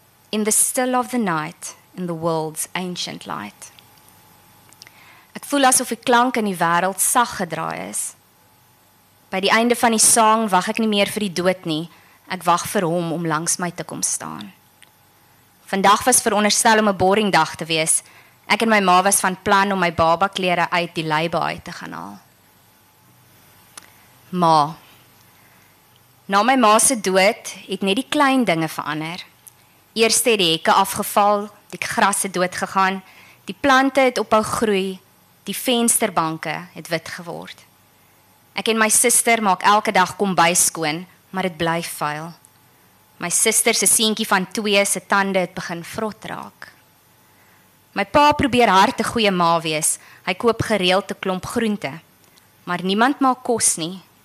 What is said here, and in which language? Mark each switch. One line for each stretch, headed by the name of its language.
English: In the still of the night, in the world's ancient light.
Afrikaans: Ek voel asof die klank in die wêreld sag gedraai is. By die einde van die sang wag ek nie meer vir die dood nie. Ek wag vir hom om langs my te kom staan. Vandag was veronderstel om 'n boring dag te wees. Ek en my ma was van plan om my baba klere uit die leibaai te gaan haal. Ma. Na my ma se dood het net die klein dinge verander. Eers het die hekke afgeval, die gras het dood gegaan, die plante het ophou groei. Die vensterbanke het wit geword. Ek en my suster maak elke dag kombuis skoon, maar dit bly vuil. My suster se seentjie van 2 se tande het begin vrot raak. My pa probeer hard 'n goeie ma wees. Hy koop gereeld 'n klomp groente, maar niemand maak kos nie.